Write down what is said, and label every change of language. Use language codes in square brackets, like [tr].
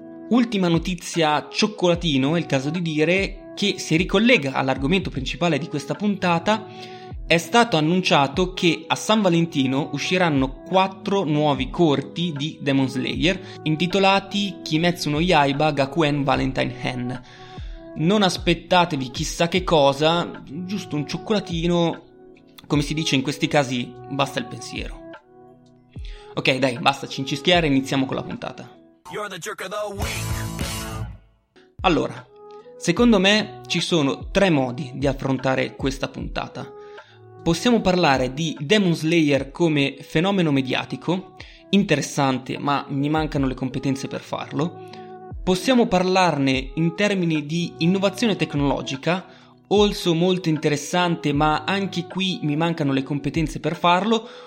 [it] Ultima notizia cioccolatino, è il caso di dire, che si ricollega all'argomento principale di questa puntata: è stato annunciato che a San Valentino usciranno 4 nuovi corti di Demon Slayer intitolati Kimetsu no Yaiba Gakuen Valentine Hen. Non aspettatevi chissà che cosa, giusto un cioccolatino, come si dice in questi casi, basta il pensiero. Ok, dai, basta cincischiare, iniziamo con la puntata. [en] You're the jerk of the week. [it] Allora, secondo me ci sono 3 modi di affrontare questa puntata. Possiamo parlare di Demon Slayer come fenomeno mediatico, interessante, ma mi mancano le competenze per farlo. Possiamo parlarne in termini di innovazione tecnologica, also molto interessante, ma anche qui mi mancano le competenze per farlo.